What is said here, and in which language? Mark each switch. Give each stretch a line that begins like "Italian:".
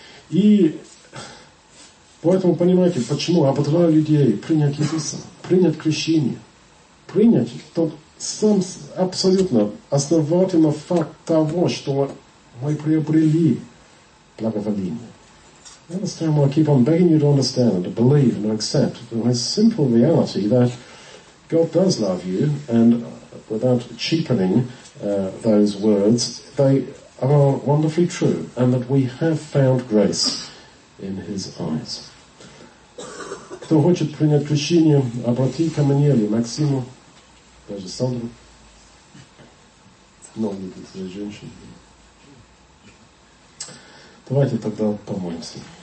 Russian: И поэтому понимаете, почему я ободряю людей принять Иисуса, принять крещение, принять тот сам абсолютно основательный факт того, что мы приобрели благоволение.
English: I understand why I keep on begging you to understand, to believe and to accept the simple reality that God does love you, and without cheapening those words, they are wonderfully true, and that we have found grace in His eyes.
Russian: Кто хочет принять крещение, обрати ко мне или Максиму, даже Сандру. Но это за женщину. Давайте тогда помолимся.